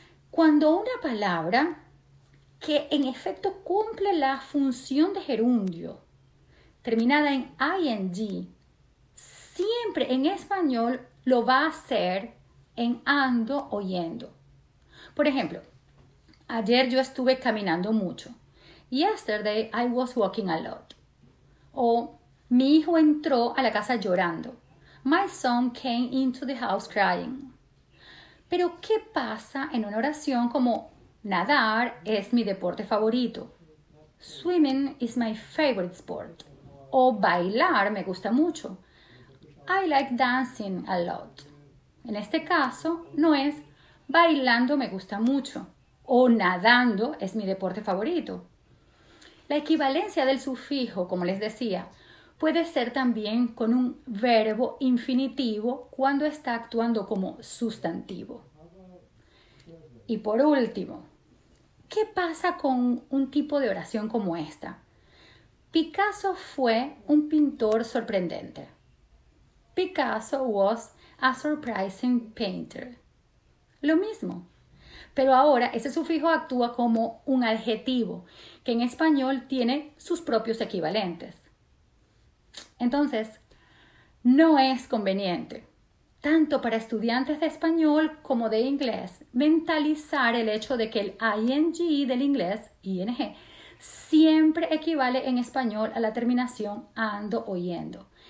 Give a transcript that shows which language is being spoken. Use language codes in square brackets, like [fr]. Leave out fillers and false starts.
[es] Cuando una palabra que en efecto cumple la función de gerundio, terminada en ing, siempre en español lo va a hacer en ando o yendo. Por ejemplo, ayer yo estuve caminando mucho. [en] Yesterday I was walking a lot. [es] O mi hijo entró a la casa llorando. [en] My son came into the house crying. [es] Pero, ¿qué pasa en una oración como nadar es mi deporte favorito? [en] Swimming is my favorite sport. [es] O bailar me gusta mucho. [en] I like dancing a lot. [es] En este caso, no es bailando me gusta mucho. O nadando es mi deporte favorito. La equivalencia del sufijo, como les decía, puede ser también con un verbo infinitivo cuando está actuando como sustantivo. Y por último, ¿qué pasa con un tipo de oración como esta? Picasso fue un pintor sorprendente. [en] Picasso was a surprising painter. [es] Lo mismo. Pero ahora ese sufijo actúa como un adjetivo que en español tiene sus propios equivalentes. Entonces, no es conveniente, tanto para estudiantes de español como de inglés, mentalizar el hecho de que el ing del inglés, ing, siempre equivale en español a la terminación ando o yendo.